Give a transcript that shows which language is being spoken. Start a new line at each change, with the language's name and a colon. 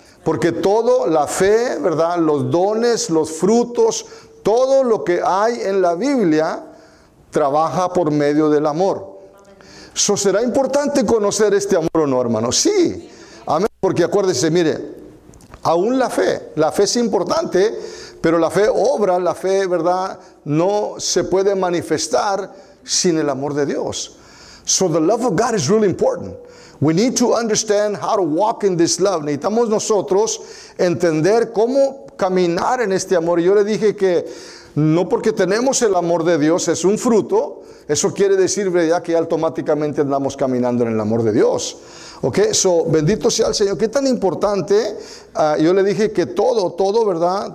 Spanish: Porque todo, la fe, ¿verdad?, los dones, los frutos, todo lo que hay en la Biblia trabaja por medio del amor. ¿So será importante conocer este amor o no, hermano? Sí. Amén. Porque acuérdese, mire, aún la fe es importante, pero la fe obra, la fe, ¿verdad?, no se puede manifestar sin el amor de Dios.
English: So the love of God is really important. We need to understand how to walk in this love.
Spanish: Necesitamos nosotros entender cómo caminar en este amor. Yo le dije que no porque tenemos el amor de Dios es un fruto, eso quiere decir, ¿verdad?, que automáticamente andamos caminando en el amor de Dios. Ok, so bendito sea el Señor. ¿Qué tan importante? Yo le dije que todo, ¿verdad?